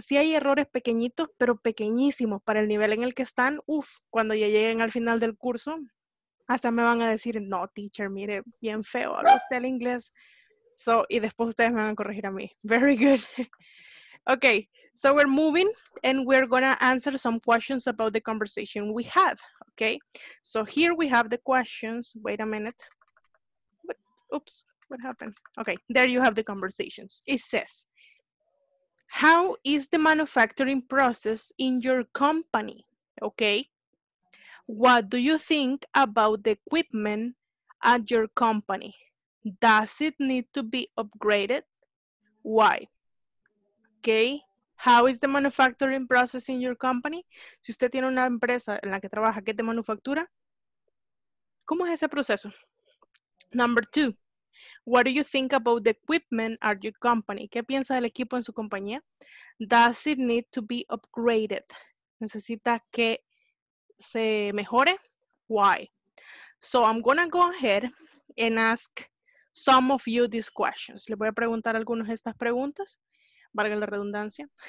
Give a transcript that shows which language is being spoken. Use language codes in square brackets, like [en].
[es] Sí hay errores pequeñitos, pero pequeñísimos para el nivel en el que están. Uf, cuando ya lleguen al final del curso, hasta me van a decir, no, teacher, mire, bien feo, habla usted el inglés. So, y después ustedes me van a corregir a mí. [en] Very good. Okay, so we're moving and we're going to answer some questions about the conversation we had. Okay, so here we have the questions. Wait a minute. What? Oops, what happened? Okay, there you have the conversations. It says, how is the manufacturing process in your company? Okay. What do you think about the equipment at your company? Does it need to be upgraded? Why? Okay, how is the manufacturing process in your company? [es] Si usted tiene una empresa en la que trabaja que es de manufactura, ¿cómo es ese proceso? [en] Number two, what do you think about the equipment at your company? [es] ¿Qué piensa del equipo en su compañía? [en] Does it need to be upgraded? [es] ¿Necesita que se mejore? [en] Why? So I'm going to go ahead and ask some of you these questions. [es] Le voy a preguntar algunas de estas preguntas, valga la redundancia.